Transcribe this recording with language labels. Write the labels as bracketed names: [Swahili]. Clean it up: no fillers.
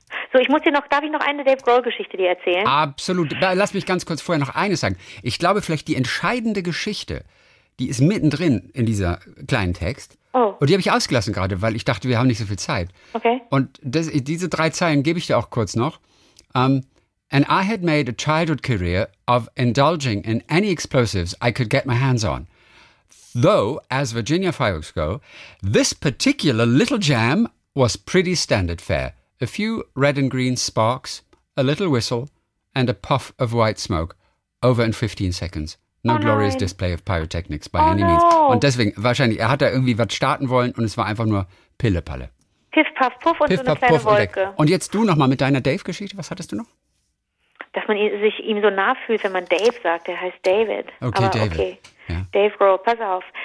[German] So, darf ich noch eine Dave Grohl-Geschichte dir erzählen? Absolut. Lass mich ganz kurz vorher noch eines sagen. Ich glaube, vielleicht die entscheidende Geschichte, die ist mittendrin in dieser kleinen Text. Oh. Und die habe ich ausgelassen gerade, weil ich dachte, wir haben nicht so viel Zeit. Okay. Und diese drei Zeilen gebe ich dir auch kurz noch. [English] And I had made a childhood career of indulging in any explosives I could get my hands on. Though, as Virginia fireworks go, this particular little jam was pretty standard fare. A few red and green sparks, a little whistle, and a puff of white smoke over in 15 seconds. No glorious display of pyrotechnics by any means. [German] Und deswegen, wahrscheinlich, er hat da irgendwie was starten wollen und es war einfach nur Pillepalle. Piff, paff, puff und so eine kleine Wolke. Und jetzt du nochmal mit deiner Dave-Geschichte, was hattest du noch? Dass man sich ihm so nah fühlt, wenn man Dave sagt, er heißt David. Okay, aber David. Okay. Ja. Dave Grohl, pass auf.